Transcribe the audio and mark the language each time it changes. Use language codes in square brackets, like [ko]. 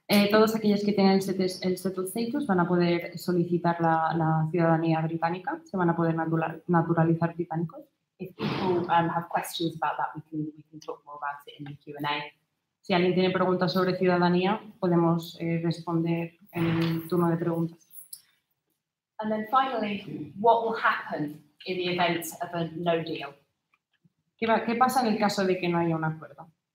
[es] Todos aquellos que tienen el settled status van a poder solicitar la ciudadanía británica, se van a poder naturalizar británicos. [en] If people have questions about that, we can talk more about it in the Q&A. [es] Si alguien tiene preguntas sobre ciudadanía, podemos responder en el turno de preguntas. [en] And then finally, what will happen in the event of a no deal? [es] ¿Qué pasa en el caso de que no haya un acuerdo?